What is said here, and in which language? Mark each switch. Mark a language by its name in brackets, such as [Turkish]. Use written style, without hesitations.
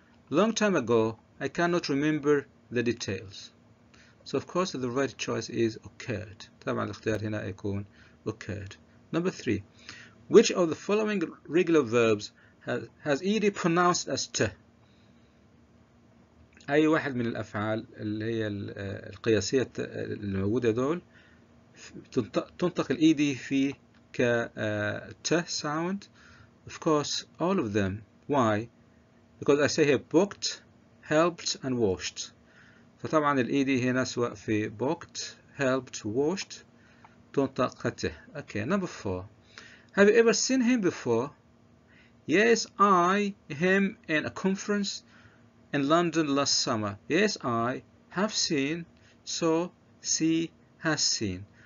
[English] Long time ago, I cannot remember the details. So of course the right choice is occurred. [Arabic] طبعا الاختيار هنا يكون occurred. [English] Number three, which of the following regular verbs has ed pronounced as t? [Arabic] أي واحد من الأفعال اللي هي القياسية الموجودة دول تنطق الed فيه ك t sound? [English] Of course, all of them. Why? Because I say here booked, helped, and washed. [Arabic] فطبعا الـ ed هنا سواء في booked, helped, washed تنطق ت. [English] Okay, number four. Have you ever seen him before? Yes, I, him, in a conference in London last summer. Yes, I have seen, so she has seen.